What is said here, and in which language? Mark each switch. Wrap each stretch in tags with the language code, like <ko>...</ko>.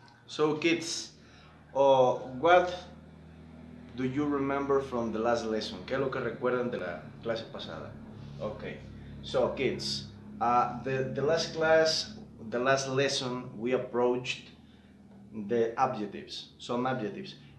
<en>So, kids, what do you remember from the last lesson?</en> <es>¿Qué es lo que recuerdan de la clase pasada?</es> <en>Okay, so, kids, the last class, the last lesson, we approached the adjectives, some adjectives.</en>